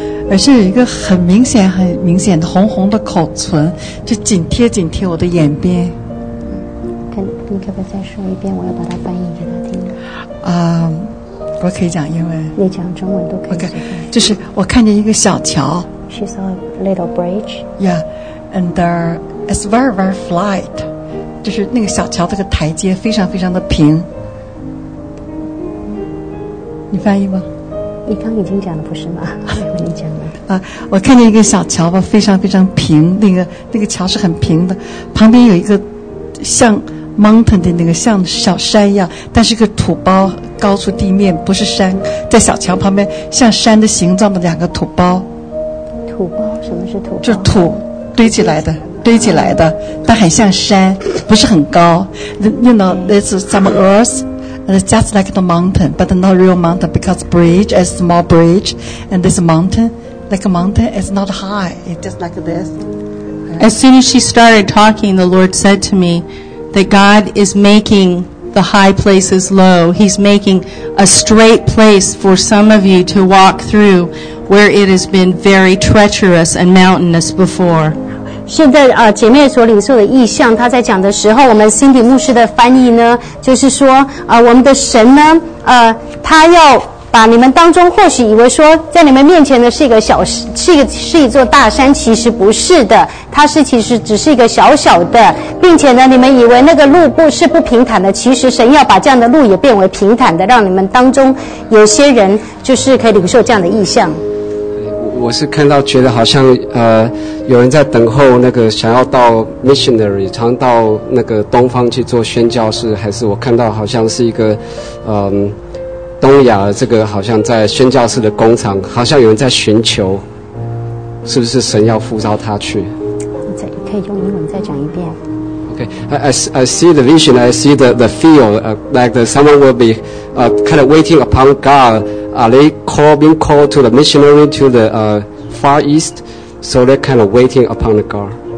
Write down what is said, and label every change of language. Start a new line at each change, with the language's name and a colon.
Chinese: 而是有一个很明显很明显的红红的口唇就紧贴紧贴我的眼边。你可不可以再说一遍，我要把它翻译给他听。我可以讲英文，你讲中文都可以。 OK， 就是我看见一个小桥。
English: She saw a little bridge. Yeah. And there is very very flat.
Chinese: 就是那个小桥这个台阶非常非常的平。你翻译吗？你刚已经讲了不是吗？我以为你讲了。我看见一个小桥吧，非常非常平，那个桥是很平的，旁边有一个像mountain 的那个像小山一样，但是个土包高出地面，不是山，在小桥旁边像山的形状的两个土包。土包？什么是土包？就是土堆起来的，堆起来的，但很像山，不是很高。
English: You know, it's some earth, and it's just like the mountain, but not real mountain because bridge is small bridge, and this mountain, like a mountain, is not high. It's just like this. As soon as she started talking, the Lord said to me. That God is making the high places low. He's making a straight place for some of you to walk through where it has been very treacherous and mountainous before.
Chinese: 现在姐妹所领受的意象，她在讲的时候，我们辛迪牧师的翻译呢，就是说我们的神呢，他要把你们当中或许以为说在你们面前的是一个小，是一座大山，其实不是的，它是其实只是一个小小的，并且呢，你们以为那个路不是不平坦的，其实神要把这样的路也变为平坦的，让你们当中有些人就是可以领受这样的意象。我是看到觉得好像有人在等候那个想要到 missionary， 常到那个东方去做宣教士，还是我看到好像是一个东亚这个好像在宣教士的工厂，好像有人在寻求，是不是神要呼召他去？你可以用英文再讲一遍。
English: Okay, I see the vision, I see the field, like the someone will be kind of waiting upon God. Are they being called to the missionary to the far east? So they're kind of waiting upon the God.